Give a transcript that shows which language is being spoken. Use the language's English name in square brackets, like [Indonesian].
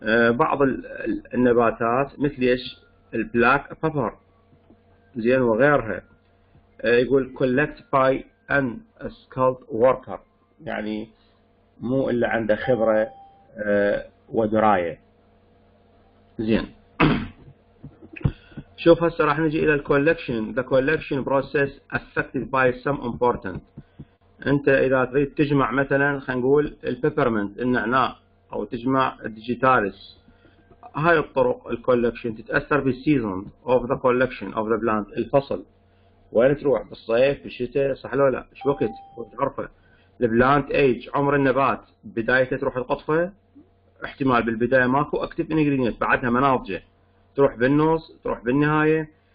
[Arabic] بعض النباتات مثل ايش؟ البلاك بابر زين وغيرها. يقول [English] collect by an skilled worker، [Arabic] يعني مو إلا عنده خبرة ودراية زين. شوف هسه راح نجي إلى الكولكشن. [English] The collection process affected by some important. [Arabic] أنت إذا تريد تجمع مثلا خلينا نقول البيبرمنت النعناع أو تجمع الديجيتالس، هاي الطرق الكولكشن تتأثر بالسيزون أوف ذا كولكشن أوف ذا بلانت. الفصل وين تروح؟ بالصيف بالشتاء صح لو لا؟ شو وقت؟ تعرفه البلانت ايج عمر النبات، بداية تروح القطفة احتمال بالبداية ماكو أكتيف إنجريدينت، بعدها مناضجة، تروح بالنص تروح بالنهاية.